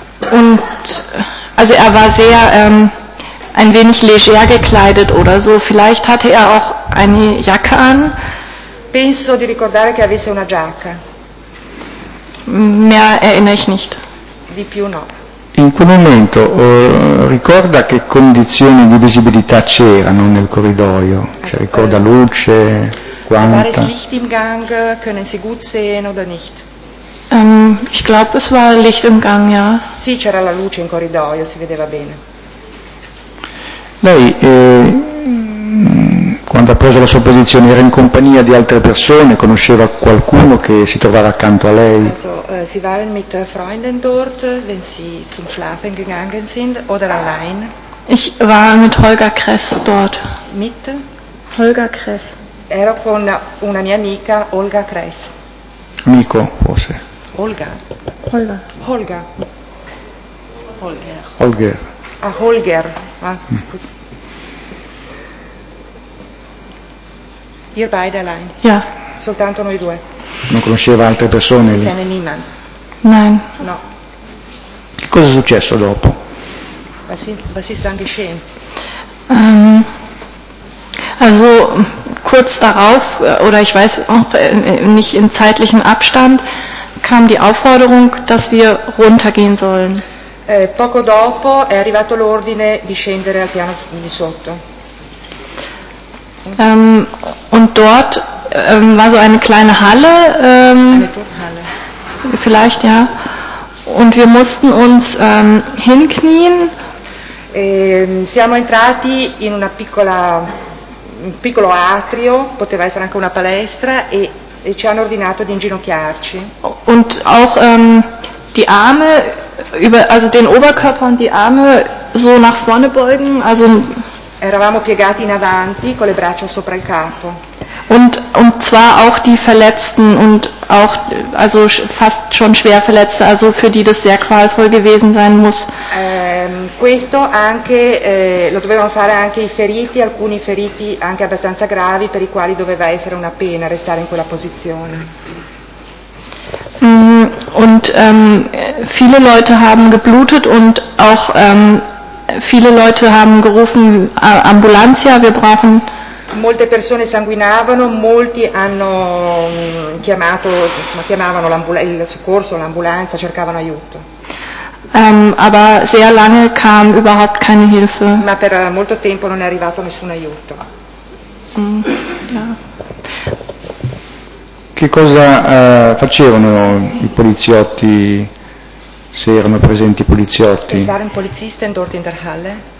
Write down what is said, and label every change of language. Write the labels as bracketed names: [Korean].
[German] Und also er war sehr ein wenig leger gekleidet oder so. Vielleicht hatte er auch eine Jacke an. [Italian] Penso di ricordare che avesse una giacca. [German] Mehr erinnere ich nicht. [Italian] Di più no. In quel momento ricorda che condizioni di visibilità c'erano nel corridoio? Cioè, ricorda luce, quanta? [German] War es Licht im Gang? Können Sie gut sehen oder nicht? Ich glaube, es war Licht im Gang, ja. [Italian] Sì, c'era la luce in corridoio, si vedeva bene. Lei, quando ha preso la sua posizione, era in compagnia di altre persone? Conosceva qualcuno che si trovava accanto a lei? [German] Also, sie waren mit Freunden dort, wenn sie zum Schlafen gegangen sind, oder allein? Ich war mit Holger Kress dort. Mit? Holger Kress. [Italian] Ero con una mia amica, Olga Kress. Amico, forse. Olga. Holger. Holger. Holger. A Holger, scusa. [German] Ihr beide allein? Ja. [Italian] Soltanto noi due? Non conosceva altre persone? [German] Sie kennen niemand? Nein. [Italian] No. Che cosa è successo dopo? [German] Was ist dann geschehen? Also, kurz darauf, oder ich weiß auch nicht in zeitlichen Abstand, kam die Aufforderung, dass wir runtergehen sollen. [Italian] Poco dopo è arrivato l'ordine di scendere al piano di sotto. [German] Und dort war so eine kleine Halle. Eine Turnhalle. Vielleicht, ja. Und wir mussten uns hinknien. [Italian] Siamo entrati in una piccola, un piccolo atrio, poteva essere anche una palestra, e ci hanno ordinato di inginocchiarci. [German] Und auch die Arme. Über, also den Oberkörper und die Arme so nach vorne beugen, also [Italian] eravamo piegati in avanti con le braccia sopra il capo. [German] Und zwar auch die Verletzten und auch also fast schon schwer Verletzte, also für die das sehr qualvoll gewesen sein muss. [Italian] Questo anche lo dovevano fare anche i feriti, alcuni feriti anche abbastanza gravi per i quali doveva essere una pena restare in quella posizione. [German] Und viele Leute haben geblutet und auch viele Leute haben gerufen, Ambulanzia, wir brauchen [Italian] Molte persone sanguinavano, molti hanno chiamato, insomma, chiamavano il soccorso, l'ambulanza, cercavano aiuto. [German] Aber sehr lange kam überhaupt keine Hilfe. [Italian] Ma per molto tempo non è arrivato nessun aiuto. Che cosa facevano i poliziotti, se erano presenti i poliziotti? [German] Es waren Polizisten dort in der Halle?